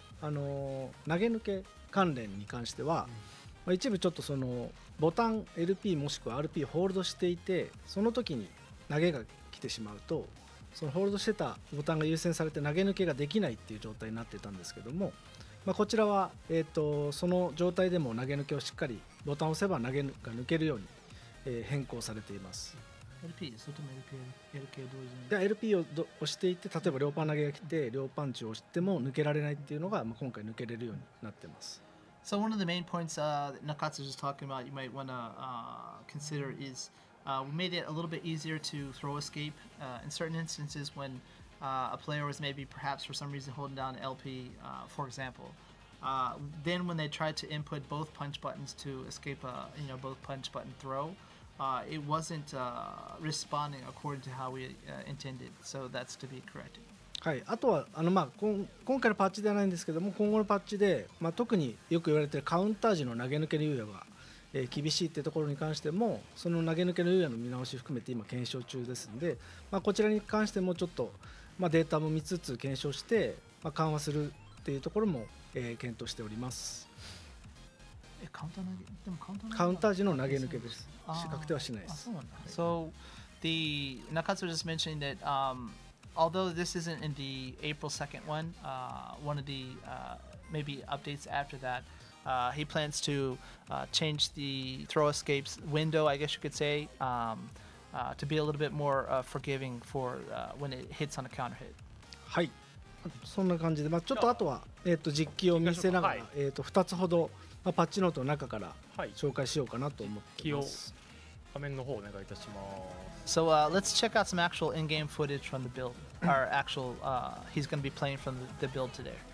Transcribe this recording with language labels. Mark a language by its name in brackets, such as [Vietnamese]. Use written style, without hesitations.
[Japanese] 投げ抜け関連に関しては、うん、まあ、一部ちょっとそのボタン LP もしくは RP ホールドしていて、その時に投げが来てしまうと、そのホールドしてたボタンが優先されて投げ抜けができないっていう状態になってたんですけども、まあ、こちらは、その状態でも投げ抜けをしっかりボタンを押せば投げが抜けるように、変更されています。 LP、 それとも LK同時に、で LP を押していて、例えば両パン投げが来て両パンチを押しても抜けられないっていうのが、まあ、今回抜けれるようになってます。 [English] So one of the main points、Nakatsu just talking about you might want to、consider is、we made it a little bit easier to throw escape、in certain instances when、a player was maybe perhaps for some reason holding down LP、for example、then when they tried to input both punch buttons to escape a, you know, both punch button throw、it wasn't、responding according to how we、intended. So that's to be corrected. [Japanese] はい、あとはあの、まあ、今回のパッチではないんですけども、今後のパッチで、まあ、特によく言われているカウンター時の投げ抜けの猶予が、厳しいってところに関しても、その投げ抜けの猶予の見直し含めて今検証中ですので、まあ、こちらに関してもちょっと、まあ、データも見つつ検証して、まあ、緩和するっていうところも、検討しております。カウンター時の投げ抜けです。確定はしないです。 [English] So the Nakatsu was just mentioning that、although this isn't in the April 2nd one、one of the、maybe updates after that、he plans to、change the throw escapes window, I guess you could say、to be a little bit more、forgiving for、when it hits on a counter hit。 [Japanese] はい、そんな感じで、まあ、ちょっとあとは、実機を見せながら、はい、2つほど、まあ、パッチノートの中から紹介しようかなと思ってます。画面の方お願いいたします。 [English] So、let's check out some actual in-game footage from the build or actual、he's going to be playing from the build today。